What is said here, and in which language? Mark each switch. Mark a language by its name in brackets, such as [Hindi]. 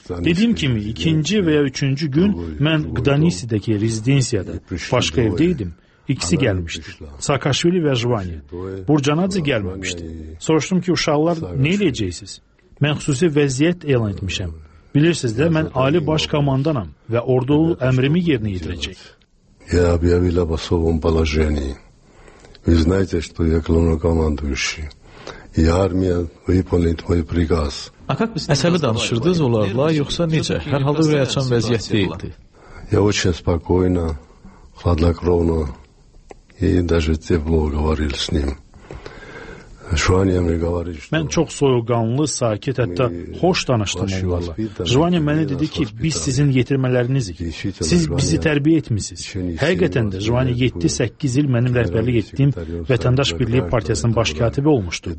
[Azerbaijani] Dediyim kimi, ikinci və ya üçüncü gün mən Qdanisi-dəki rezidensiyada başqa evdə idim. İkisi gəlmişdi. Saakashvili və Jvani. Burcanadze gəlməmişdi. Soruşdum ki, uşaqlar nə eləyəcəksiniz? Mən xüsusi vəziyyət elan etmişəm. Bilirsiniz də, mən ali baş komandanam və ordulu əmrimi yerinə yetirəcək. [Russian] Я объявил об особом положении. Вы знаете, что я главнокомандующий. [Azerbaijani] Əsəbi danışırdınız onlarla, yoxsa necə? Hər halda ürək açan vəziyyət deyildi. [Russian] Я очень спокойно, хладнокровно и даже тепло говорил с ним. [Azerbaijani] Mən çox soyuqqanlı, sakit, hətta xoş danışdım onlarla. Jvaniya mənə dedi ki, biz sizin yetirmələrinizik. Siz bizi tərbiyə etmişsiniz. Həqiqətən də Jvaniya 7-8 il mənim rəhbərlik etdiyim Vətəndaş Birliyi Partiyasının baş katibi olmuşdu.